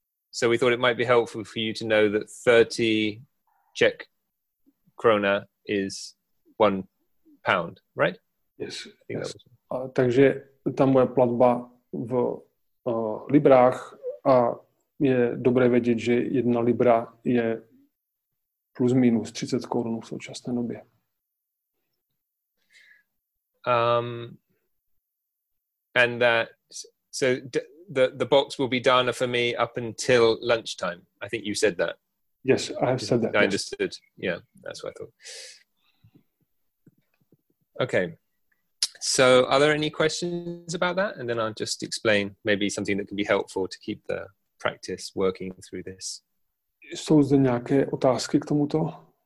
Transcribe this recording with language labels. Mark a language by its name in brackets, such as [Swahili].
[English] So we thought it might be helpful for you to know that 30 Czech krona is £1, right? Yes. Yes. [Czech] Takže tam bude platba v librách a je dobré vědět, že jedna libra je plus minus 30 korun v současné době. [English] And that, so the box will be dana for me up until lunchtime. I think you said that. Yes, I have said that. I understood. Yes. Yeah, that's what I thought. Okay. So are there any questions about that? And then I'll just explain maybe something that can be helpful to keep the practice working through this. [Czech] Jsou zde nějaké otázky k tomuto?